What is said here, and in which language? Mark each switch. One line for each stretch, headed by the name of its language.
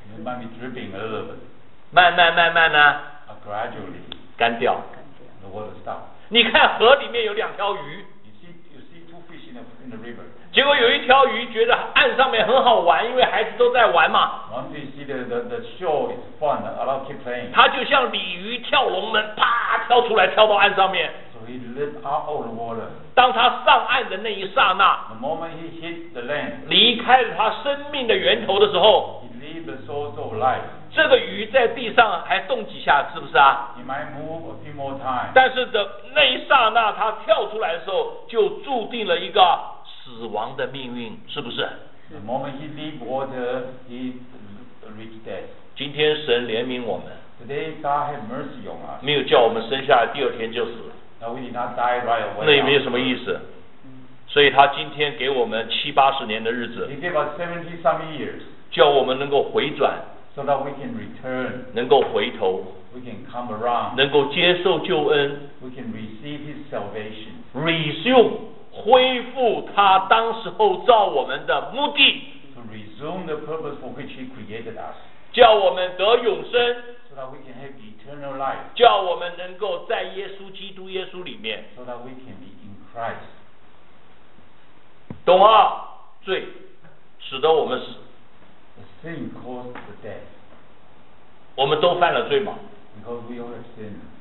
English: It might be dripping a little bit.
Chinese: 慢慢呢？
English: Gradually.
Chinese: 干掉。
English: The water stops.
Chinese: 你看河里面有两条鱼。
English: You see two fish in the river.
Chinese: 结果有一条鱼觉得岸上面很好玩，因为孩子都在玩嘛。
English: Once you see the show is fun, a lot keep playing.
Chinese: 他就像鲤鱼跳龙门，啪跳出来，跳到岸上面。
English: So he lives out of the water.
Chinese: 当他上岸的那一刹那
English: ，The moment he hit the land,
Chinese: 离开了他生命的源头的时候
English: ，He leaves the source of life.
Chinese: 这个鱼在地上还动几下，是不是啊
English: ？He might move a few more times.
Chinese: 但是的那一刹那，他跳出来的时候，就注定了一个。死亡的命运是不是
English: ？The moment he leave water, he reach death.
Chinese: 今天神怜悯我们。
English: Today God have mercy on us.
Chinese: 没有叫我们生下来第二天就死。
English: Now we did not die right away.
Chinese: 那也没有什么意思。所以他今天给我们七八十年的日子。
English: He gave us 70 some years.
Chinese: 叫我们能够回转。
English: So that we can return.
Chinese: 能够回头。
English: We can come around.
Chinese: 能够接受救恩。
English: We can receive his salvation. Resume.
Chinese: 恢复他当时候造我们的目的
English: ，to resume the purpose for which he created us，
Chinese: 叫我们得永生
English: ，so that we can have eternal life，
Chinese: 叫我们能够在耶稣基督耶稣里面
English: ，so that we can be in Christ，
Chinese: 懂吗？罪使得我们死
English: ，the sin caused the death，
Chinese: 我们都犯了罪嘛
English: ，because we all have sin，